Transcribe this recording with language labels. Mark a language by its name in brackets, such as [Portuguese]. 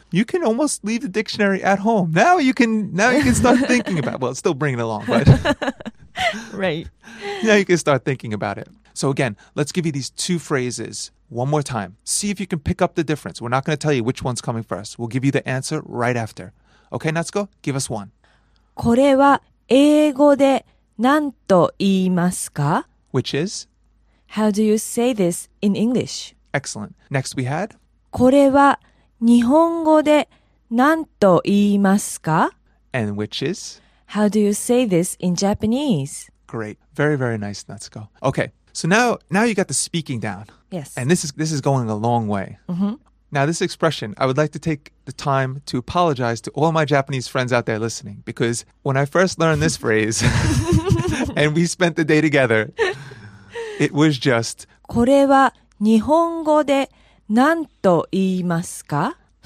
[English] you can almost leave the dictionary at home. Now you can start thinking about it. Well, still bring it along, but right. Now you can start thinking about it. So again, let's give you these two phrases one more time. See if you can pick up the difference. We're not going to tell you which one's coming first. We'll give you the answer right after. Okay, Natsuko, give us one. [Japanese] これは英語で何と言いますか? [English] Which is? How do you say this in English? Excellent. Next we had? [Japanese] これは日本語で何と言いますか? [English] And which is? How do you say this in Japanese? Great. Very, very nice, Natsuko. Okay. So now you got the speaking down. Yes. And this is going a long way. Mm-hmm. Now, this expression, I would like to take the time to apologize to all my Japanese friends out there listening. Because when I first learned this phrase, and we spent the day together, it was just, [Japanese] これは日本語で何と言いますか?